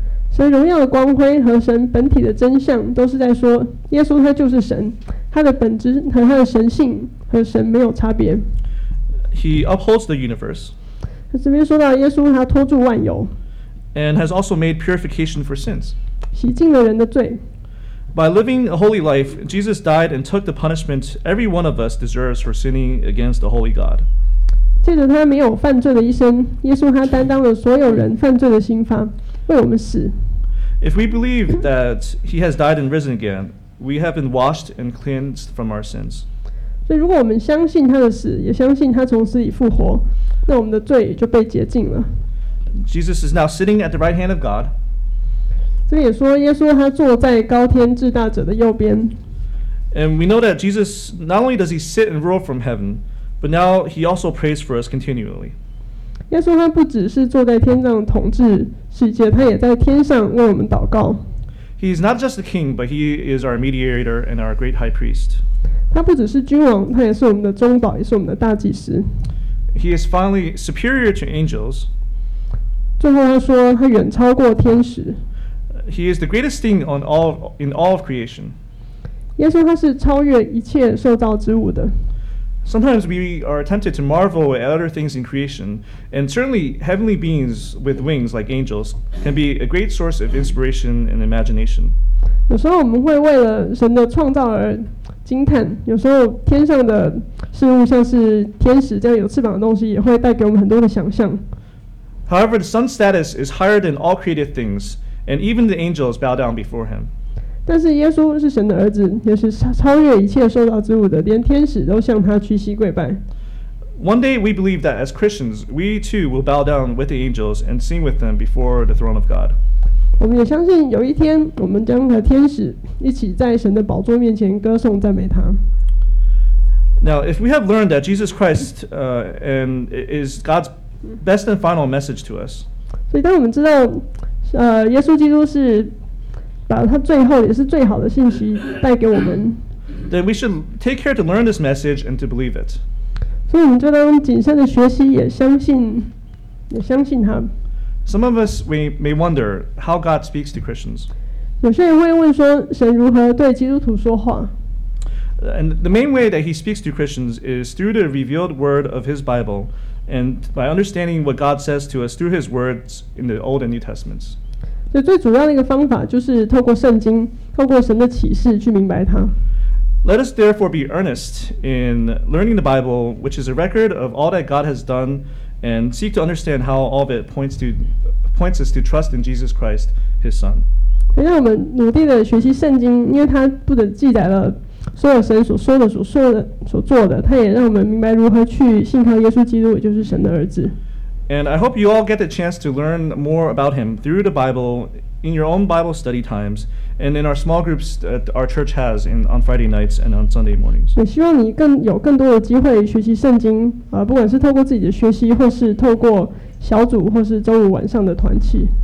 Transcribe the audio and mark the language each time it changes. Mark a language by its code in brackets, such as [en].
[zh] 神荣耀的光辉和神本体的真相都是在说耶稣他就是神他的本质和他的神性和神没有差别 [en] He upholds the universe [zh] 这边说到耶稣他托住万有 [en] And has also made purification for sins. [zh] 洗净了人的罪。 [en] By living a holy life, Jesus died and took the punishment every one of us deserves for sinning against the holy God. [zh] 借着他没有犯罪的一生，耶稣他担当了所有人犯罪的刑罚，为我们死。 [en] If we believe that he has died and risen again, we have been washed and cleansed from our sins. [zh] 所以如果我们相信他的死，也相信他从死里复活，那我们的罪就被洁净了。 [en] Jesus is now sitting at the right hand of God. [zh] 这边也说耶稣他坐在高天至大者的右边。 [en] And we know that Jesus, not only does he sit and rule from heaven, but now he also prays for us continually. [zh] 耶稣他不只是坐在天上统治世界，他也在天上为我们祷告。 [en] He is not just the king, but he is our mediator and our great high priest. [zh] 他不只是君王，他也是我们的中保，也是我们的大祭司。 [en] He is finally superior to angels. [zh] 最后他说他远超过天使。 [en] He is the greatest thing on all, in all of creation. [zh] 耶稣他是超越一切受造之物的。 [en] Sometimes we are tempted to marvel at other things in creation, and certainly heavenly beings with wings like angels can be a great source of inspiration and imagination. [zh] 有时候我们会为了神的创造而惊叹，有时候天上的事物像是天使这样有翅膀的东西也会带给我们很多的想象。 [en] However, the Son's status is higher than all created things, and even the angels bow down before him. [zh] 但是耶稣是神的儿子，也是超越一切受造之物的，连天使都向他屈膝跪拜。 [en] One day we believe that as Christians, we too will bow down with the angels and sing with them before the throne of God. [zh] 我们也相信有一天我们将和天使一起在神的宝座面前歌颂赞美他。 [en] Now, if we have learned that Jesus Christ, and is God's best and final message to us. [zh] 所以当我们知道，耶稣基督是把他最后也是最好的信息带给我们。 [en] Then we should take care to learn this message and to believe it. [zh] 所以我们就当谨慎的学习，也相信他。 [en] Some of us may wonder how God speaks to Christians. [zh] 有些人会问说，神如何对基督徒说话？ [en] And the main way that he speaks to Christians is through the revealed word of his Bible and by understanding what God says to us through his words in the Old and New Testaments. [zh] 最主要的一个方法就是透过圣经，透过神的启示去明白他。 [en] Let us therefore be earnest in learning the Bible, which is a record of all that God has done, and seek to understand how all of it points us to trust in Jesus Christ, His Son. [zh] 让我们努力地学习圣经，因为它不仅记载了所有神所说的、所说的、所做的，它也让我们明白如何去信靠耶稣基督，也就是神的儿子。 [en] And I hope you all get the chance to learn more about him through the Bible in your own Bible study times and in our small groups that our church has on Friday nights and on Sunday mornings. [zh] 也希望你有更多的机会学习圣经，不管是透过自己的学习，或是透过小组，或是周五晚上的团契。